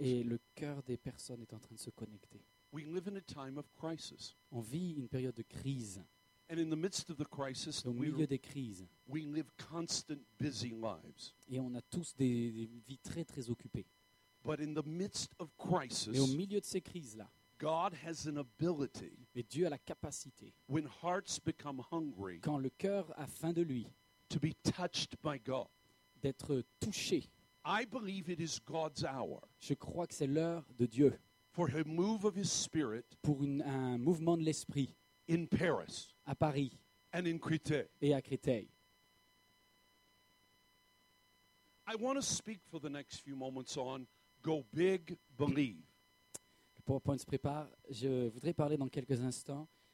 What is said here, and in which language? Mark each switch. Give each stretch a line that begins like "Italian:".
French: Et le cœur des personnes est en train de se connecter.
English: We live in a time of crisis.
French: On vit une période de crise.
English: And in the midst of the crisis,
French: au milieu des crises,
English: we live constant busy lives.
French: Et on a tous des vies très très occupées.
English: But in the midst of crisis,
French: mais au milieu de ces crises là,
English: God has an ability.
French: Mais Dieu a la capacité.
English: When hearts become hungry,
French: quand le cœur a faim de lui,
English: to be touched by God,
French: d'être touché.
English: I believe it is God's hour.
French: Je crois que c'est l'heure de Dieu.
English: For a move of His Spirit,
French: pour un mouvement de l'esprit.
English: In Paris,
French: à Paris,
English: and in Créteil,
French: et à Créteil.
English: I want to speak for the next few moments on go big, believe.
French: Le PowerPoint se prépare. Je voudrais parler dans quelques instants.